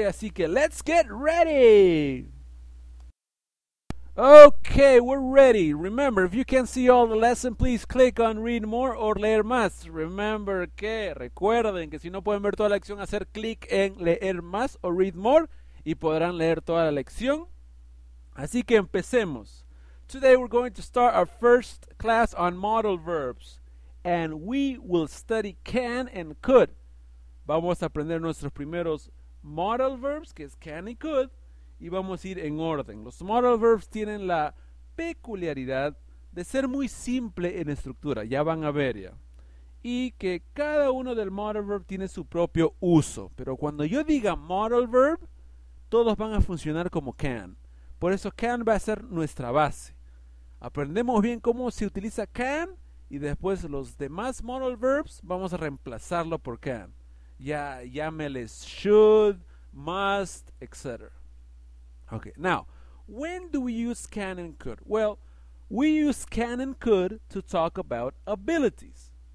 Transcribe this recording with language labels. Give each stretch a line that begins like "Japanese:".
Spanish: Así que
English: let's get ready. Okay, we're ready. Remember, if you can't see all the lesson, please click on read more or
Spanish: leer más.
English: Remember
Spanish: que, recuerden que si no pueden ver toda la lección, hacer clic en leer más o
English: read more
Spanish: y podrán leer toda la lección. Así que empecemos.
English: Today we're going to start our first class on modal verbs. And we will study can and could.
Spanish: Vamos a aprender nuestros primeros modal verbs, que es can y could. Y vamos a ir en orden. Los modal verbs tienen la peculiaridad de ser muy simple en estructura. Ya van a ver ya. Y que cada uno del modal verb tiene su propio uso. Pero cuando yo diga modal verb, todos van a funcionar como can. Por eso can va a ser nuestra base. Aprendemos bien cómo se utiliza can. Y después los demás modal verbs vamos a reemplazarlo por can. Ya llámeles should, must, etc.
English: Okay, now, when do we use can and could? Well, we use can and could to talk about abilities.